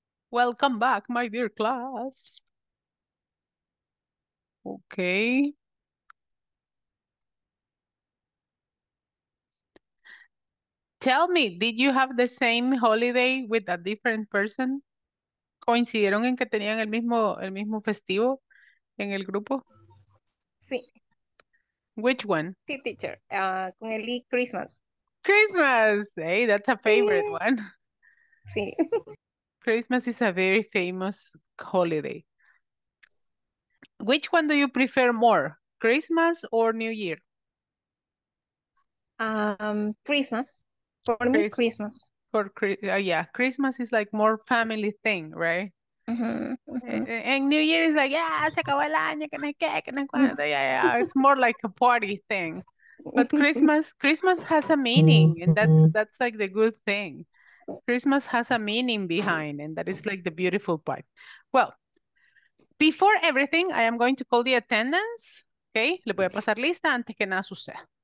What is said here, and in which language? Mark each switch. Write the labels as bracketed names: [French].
[English] Welcome back, my dear class. Okay. Tell me, did you have the same holiday with a different person? [Spanish] ¿Coincidieron en que tenían el mismo festivo en el grupo? [English] Which one? [Spanish] Sí, teacher. Con el Christmas. [English] Christmas. Hey, that's a favorite one. [Spanish] Sí. [English] Christmas is a very famous holiday. Which one do you prefer more, Christmas or New Year? Christmas. For me, Christmas. For yeah, Christmas is like more family thing, right? And New Year is like, yeah, [Spanish] se acabó el año, que no sé qué, que no sé cuándo. [English] Yeah, yeah, it's more like a party thing. But Christmas has a meaning, and that's like the good thing. Christmas has a meaning behind, and that is like the beautiful part. Well, before everything, I am going to call the attendance. [Spanish] Okay, le voy a pasar lista antes que nada suceda.